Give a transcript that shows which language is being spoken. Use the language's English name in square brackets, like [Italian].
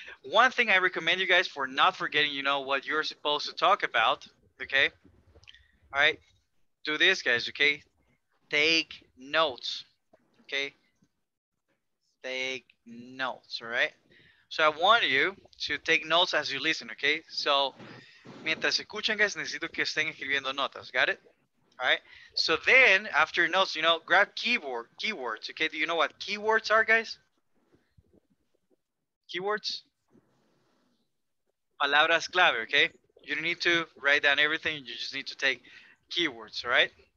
[English] One thing I recommend you guys for not forgetting, you know, what you're supposed to talk about, okay? All right, do this, guys, okay? Take notes, okay? Take notes, all right? So I want you to take notes as you listen, okay? [Spanish] So, mientras escuchan, guys, necesito que estén escribiendo notas, [English] got it? All right, so then, after notes, you know, grab keywords, okay? Do you know what keywords are, guys? Keywords? [Spanish] Palabras clave, [English] okay? You don't need to write down everything, you just need to take keywords, all right?